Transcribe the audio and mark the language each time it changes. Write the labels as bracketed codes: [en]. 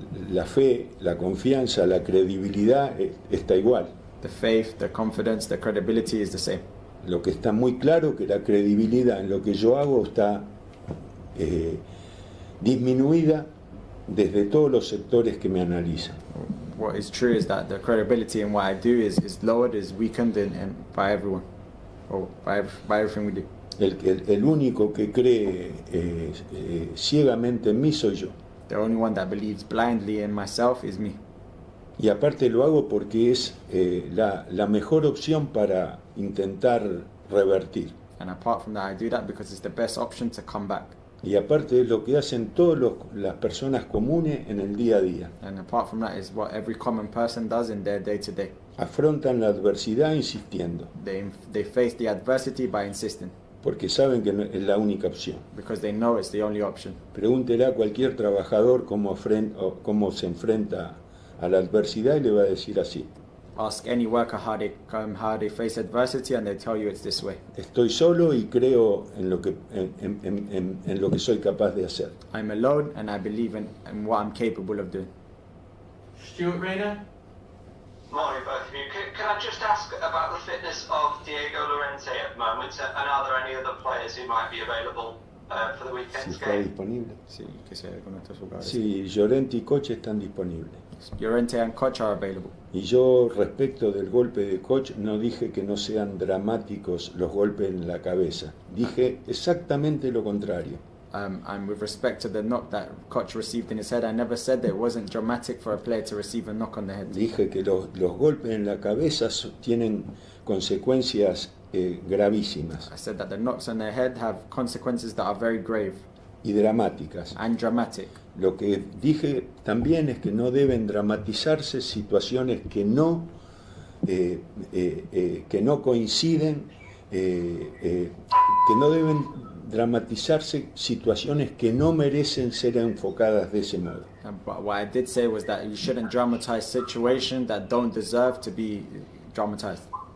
[es] la fe, la confianza, la credibilidad está igual. [en] The faith, the confidence, the credibility is the same. [es] Lo que está muy claro que la credibilidad en lo que yo hago está disminuida desde todos los sectores que me analizan. [en] What is true is that the credibility in what I do is lowered, is weakened in by everyone, or by everything we do. [es] El único que cree ciegamente en mí soy yo. [en] The only one that believes blindly in myself is me. [es] Y aparte lo hago porque es la mejor opción para intentar revertir. [en] And apart from that, I do that because it's the best option to come back. [es] Y aparte es lo que hacen todas las personas comunes en el día a día. [en] And apart from that is what every common person does in their day to day. [es] Afrontan la adversidad insistiendo. [en] They face the adversity by insisting. [es] Porque saben que no, es la única opción. [en] Because they know it's the only option. [es] Pregúntele a cualquier trabajador cómo se enfrenta a la adversidad y le va a decir así. [en] Ask any worker how they face adversity and they tell you it's this way. [es] Estoy solo y creo en lo que soy capaz de hacer. [en] I'm alone and I believe in what I'm capable of doing. Stuart Rayner. Morning, both of you. Can I just ask about the fitness of Diego Llorente at the moment, and are there any other players who might be available for the weekend's game? [es] Si está disponible. Sí, que sea con estos jugadores. Sí, Llorente y Coche están disponibles. [en] Llorente and Koch are available. [es] Y yo, respecto del golpe de Koch, no dije que no sean dramáticos los golpes en la cabeza. Dije exactamente lo contrario. [en] And with respect to the knock that Koch received in his head, I never said that it wasn't dramatic for a player to receive a knock on the head. [es] Dije que los golpes en la cabeza tienen consecuencias gravísimas. [en] I said that the knocks on their head have consequences that are very grave. [es] Y dramáticas. [en] And dramatic. [es] Lo que dije también es que no deben dramatizarse situaciones que no merecen ser enfocadas de ese modo. [en] But what I did say was that you shouldn't dramatize situations that don't deserve to be dramatized.